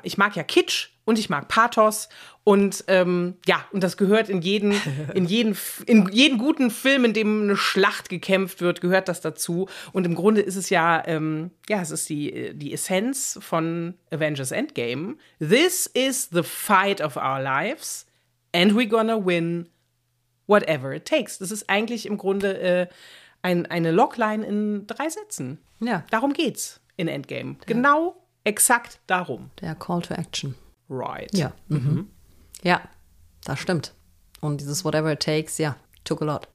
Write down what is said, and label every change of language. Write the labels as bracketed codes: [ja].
[de] Ich mag ja Kitsch und ich mag Pathos und und das gehört in jeden guten Film, in dem eine Schlacht gekämpft wird, gehört das dazu. Und im Grunde ist es ja, es ist die Essenz von Avengers Endgame. [en] This is the fight of our lives and we're gonna win whatever it takes. [de] Das ist eigentlich im Grunde eine Logline in drei Sätzen. Ja. Darum geht's in Endgame. Genau, exakt darum. Der Call to Action. [en] Right. [de] Ja. Mhm. Ja, das stimmt. Und dieses [en] whatever it takes, took a lot.